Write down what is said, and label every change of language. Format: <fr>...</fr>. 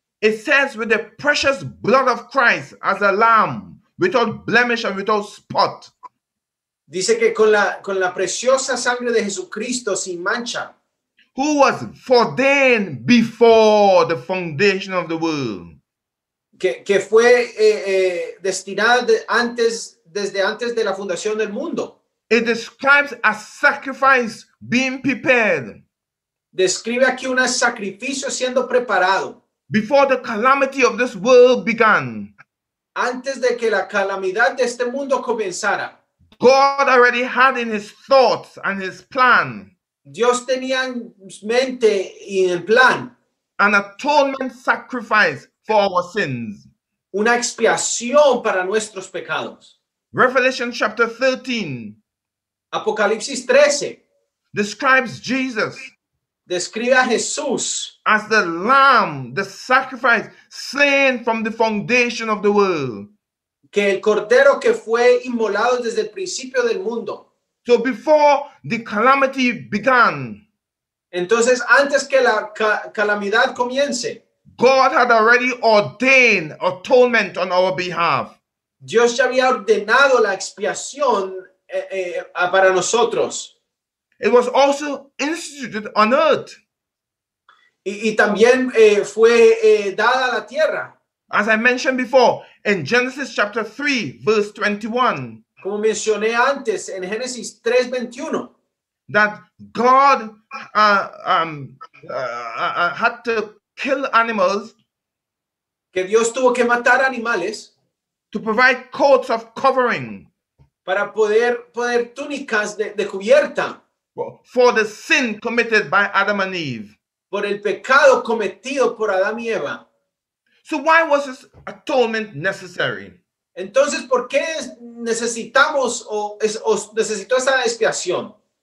<en>It says, with the precious blood of Christ as a lamb, without blemish and without spot.</en> <es>Dice que con la preciosa sangre de Jesucristo sin mancha.</es> <en>Who was ordained before the foundation of the world.</en> <es>Que fue destinada desde antes de la fundación del mundo.</es> <en>It describes a sacrifice being prepared.</en> <es>Describe aquí un sacrificio siendo preparado.</es> <en>Before the calamity of this world began.</en> <es>Antes de que la calamidad de este mundo comenzara.</es> <en>God already had in his thoughts and his plan.</en> <es>Dios tenía en mente y en plan.</es> <en>An atonement sacrifice for our sins.</en> <es>Una expiación para nuestros pecados.</es> <en>Revelation chapter 13.</en> <es>Apocalipsis 13.</es> <en>Describes Jesus.</en> <es>Describe a Jesús.</es> <en>As the lamb, the sacrifice slain from the foundation of the world.</en> <es>Que el cordero que fue inmolado desde el principio del mundo.</es> <en>So before the calamity began.</en> <es>Entonces antes que la calamidad comience.</es> <en>God had already ordained atonement on our behalf.</en> <es>Dios ya había ordenado la expiación para nosotros.</es> <en>It was also instituted on earth.</en> <es>Y también fue dada a la tierra.</es> <en>As I mentioned before, in Genesis chapter 3, verse 21.</en> <es>Como mencioné antes, en Génesis 3, 21.</es> <en>That God had to kill animals.</en> <es>Que Dios tuvo que matar animales.</es> <en>To provide coats of covering.</en> <es>Para poder poner túnicas de cubierta.</es> <en>For the sin committed by Adam and Eve.</en> <es>Por el pecado cometido por Adán y Eva.</es> <en>So why was this atonement necessary?</en> <es>Entonces, ¿por qué necesitamos o necesitó esa expiación?</es>